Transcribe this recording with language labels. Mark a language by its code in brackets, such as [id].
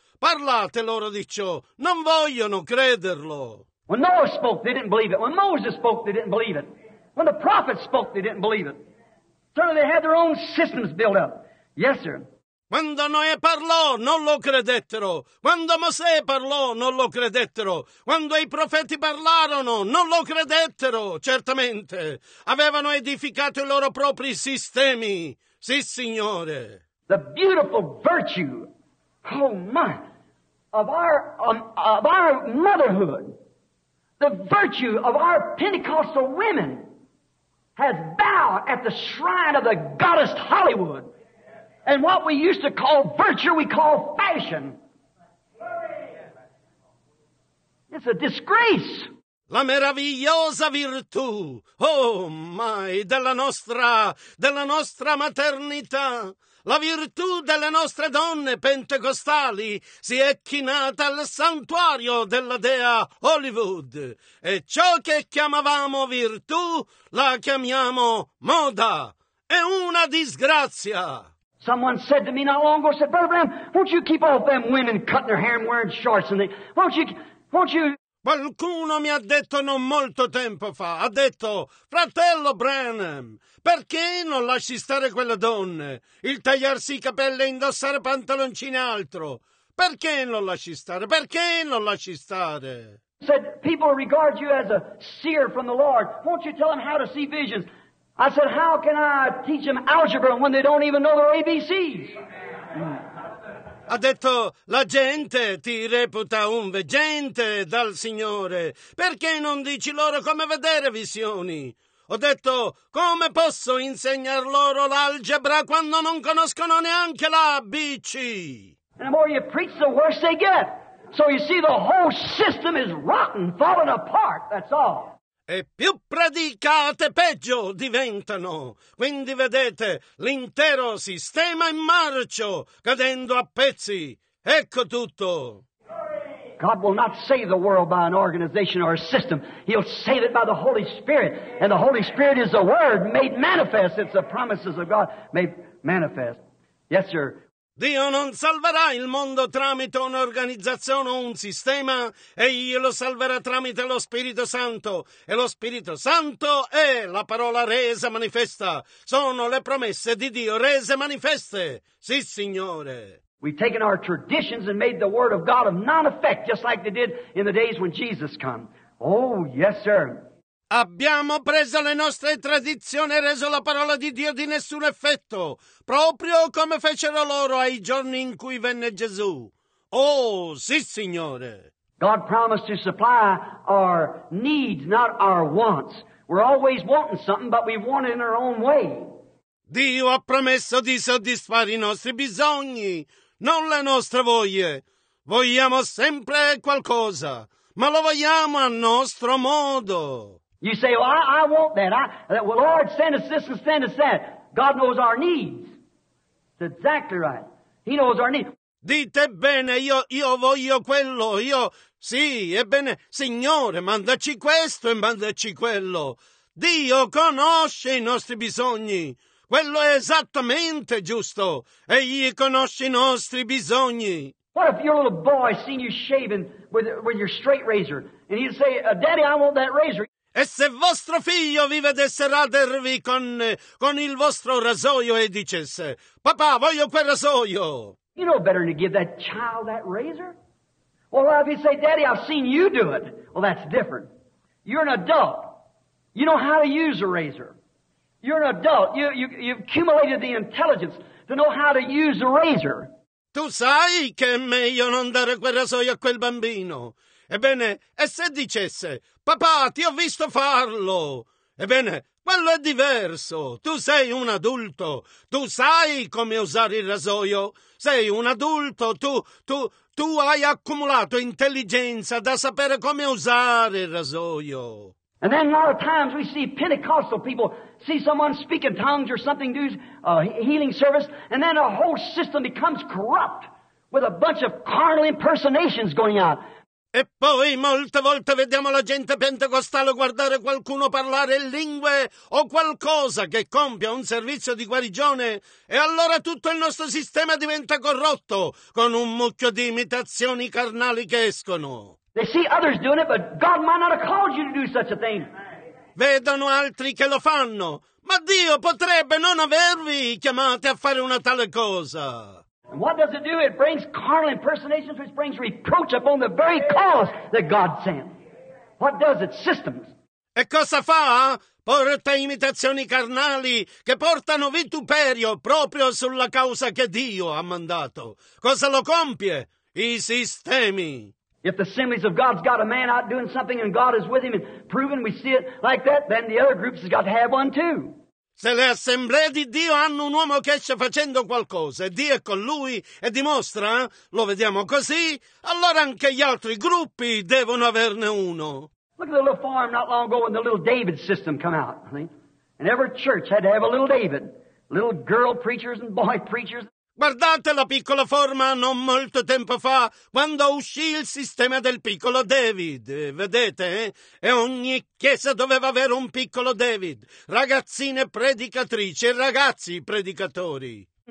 [it] Parlate loro di ciò, non vogliono crederlo. [en] When Noah spoke, they didn't believe it. When Moses spoke, they didn't believe it. When the prophets spoke, they didn't believe it. Certainly they had their own systems built up. Yes, sir. [it] Quando Noè parlò, non lo credettero. Quando Mosè parlò, non lo credettero. Quando i profeti parlarono, non lo credettero, certamente. Avevano edificato i loro propri sistemi. Sì, Signore. [en] The beautiful virtue, oh my, of our motherhood, the virtue of our Pentecostal women has bowed at the shrine of the goddess Hollywood. And what we used to call virtue, we call fashion. It's a disgrace. [it] La meravigliosa virtù, [en] oh my, [it] della nostra maternità. La virtù delle nostre donne pentecostali si è chinata al santuario della dea Hollywood. E ciò che chiamavamo virtù la chiamiamo moda. È una disgrazia. [en] Someone said to me not long ago, said, Brother Branham, won't you keep off them women cutting their hair and wearing shorts and things? Won't you? [it] Qualcuno mi ha detto non molto tempo fa, ha detto, fratello Branham, perché non lasci stare quelle donne? Il tagliarsi i capelli e indossare pantaloncini altro. Perché non lasci stare? Perché non lasci stare? [en] Said, people regard you as a seer from the Lord. Won't you tell them how to see visions? I said, how can I teach them algebra when they don't even know their ABCs? [it] Ha detto, la gente ti reputa un veggente dal Signore. Perché non dici loro come vedere visioni? Ho detto, come posso insegnar loro l'algebra quando non conoscono neanche l'ABC? [en] And the more you preach, the worse they get. So you see, the whole system is rotten, falling apart, that's all. [it] E più predicate, peggio diventano. Quindi vedete, l'intero sistema in marcio, cadendo a pezzi. Ecco tutto. [en] God will not save the world by an organization or a system. He'll save it by the Holy Spirit. And the Holy Spirit is the Word made manifest. It's the promises of God made manifest. Yes, sir. [it] Dio non salverà il mondo tramite un'organizzazione o un sistema, egli lo salverà tramite lo Spirito Santo, e lo Spirito Santo è la parola resa manifesta, sono le promesse di Dio rese manifeste, sì Signore. [en] We've taken our traditions and made the word of God of non-effect, just like they did in the days when Jesus came. Oh, yes sir. [it] Abbiamo preso le nostre tradizioni e reso la parola di Dio di nessun effetto, proprio come fecero loro ai giorni in cui venne Gesù. Oh, sì, Signore! [en] God promised to supply our needs, not our wants. We're always wanting something, but we want it in our own way. [it] Dio ha promesso di soddisfare i nostri bisogni, non le nostre voglie. Vogliamo sempre qualcosa, ma lo vogliamo a nostro modo. [en] You say, well, I want that. Well, Lord, send us this and send us that. God knows our needs. That's exactly right. He knows our needs. [it] Dite bene, io voglio quello, io, sì, ebbene, Signore, mandaci questo e mandaci quello. Dio conosce i nostri bisogni. Quello è esattamente giusto. Egli conosce i nostri bisogni. [en] What if your little boy seen you shaving with your straight razor? And he'd say, Daddy, I want that razor. [it] E se vostro figlio vi vedesse radervi con il vostro rasoio e dicesse, papà, voglio quel rasoio. [en] You know better than to give that child that razor? Well, if you say, Daddy, I've seen you do it. Well, that's different. You're an adult. You know how to use a razor. You're an adult. You've accumulated the intelligence to know how to use a razor. [it] Tu sai che è meglio non dare quel rasoio a quel bambino. Ebbene, e se dicesse, papà, ti ho visto farlo. Ebbene, quello è diverso. Tu sei un adulto. Tu sai come usare il rasoio. Sei un adulto. Tu hai accumulato intelligenza da sapere come usare il rasoio. [en] And then a lot of times we see Pentecostal people see someone speak in tongues or something, do a healing service, and then a whole system becomes corrupt with a bunch of carnal impersonations going out. [it] E poi molte volte vediamo la gente pentecostale guardare qualcuno parlare in lingue o qualcosa che compia un servizio di guarigione e allora tutto il nostro sistema diventa corrotto con un mucchio di imitazioni carnali che escono. [en] They see others doing it, but God might not have called you to do such a thing. [it] Vedono altri che lo fanno, ma Dio potrebbe non avervi chiamati a fare una tale cosa. [en] And what does it do? It brings carnal impersonations, which brings reproach upon the very cause that God sent. What does it? Systems. [it] E cosa fa? Porta imitazioni carnali che portano vituperio proprio sulla causa che Dio ha mandato. Cosa lo compie? I sistemi. [en] If the assemblies of God's got a man out doing something and God is with him and proving we see it like that, then the other groups has got to have one too. [it] Se le assemblee di Dio hanno un uomo che esce facendo qualcosa e Dio è con lui e dimostra, lo vediamo così, allora anche gli altri gruppi devono averne uno. [en] Look at the little farm not long ago when the little David system came out. And every church had to have a little David. Little girl preachers and boy preachers. [it] Guardate la piccola forma non molto tempo fa, quando uscì il sistema del piccolo David, vedete? E ogni chiesa doveva avere un piccolo David, ragazzine predicatrici e ragazzi predicatori.